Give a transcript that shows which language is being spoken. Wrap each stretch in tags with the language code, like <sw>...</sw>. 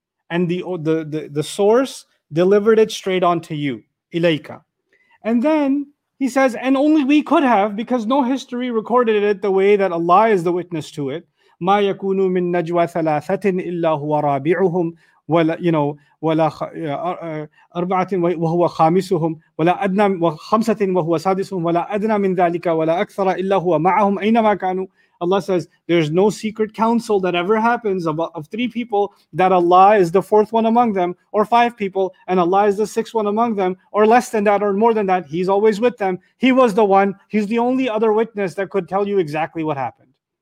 <en>And the source delivered it straight on to you, ilayka. And then he says, and only we could have, because no history recorded it the way that Allah is the witness to it.</en> <ar>مَا يَكُونُ مِن نَجْوَى ثَلَاثَةٍ إِلَّا هُوَ رَابِعُهُمْ ولا</ar> <en>you know</en> <ar>ولا أربعة وهو خامسهم ولا أدنى وخمسة وهو سادسهم ولا أدنى من ذلك ولا أكثر إلا هو معهم أينما كانوا.</ar> <en>Allah says there's no secret council that ever happens of three people that Allah is the fourth one among them, or five people and Allah is the sixth one among them, or less than that or more than that. He's always with them. He was the one. He's the only other witness that could tell you exactly what happened.</en>